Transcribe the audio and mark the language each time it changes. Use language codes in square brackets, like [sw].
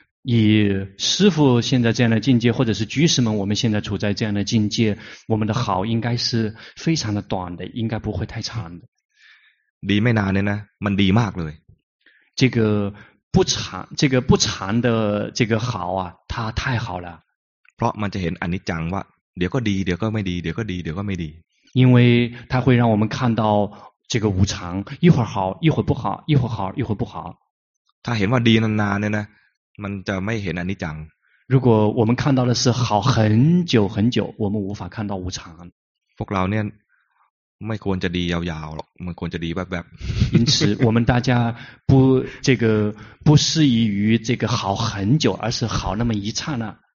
[zh] 以师父现在这样的境界或者是居士们我们现在处在这样的境界我们的好应该是非常的短的应该不会太长的 [th] ดีไม่นานเลยนะมันดีมากเลย [zh] 这个不长这个不长的这个好啊它太好了 [th] เพราะมันจะเห็นอนิจจังว่าเดี๋ยวก็ดีเดี๋ยวก็ไม่ดีเดี๋ยวก็ดีเดี๋ยวก็ไม่ดี [zh] 因为它会让我们看到这个无常一会儿好一会儿不好一会儿好一会儿不好 [th] ถ้าเห็นว่าดีนานๆเนี่ยนะมันจะไม่เห็นอนิจจัง [zh] 如果我们看到的是好很久很久我们无法看到无常 [th] พวกเราเนี่ยไม่ควรจะดียาวๆหรอกมันควรจะดีแบบ [zh] ๆ因此我们大家不这个不适宜于这个好很久而是好那么一刹那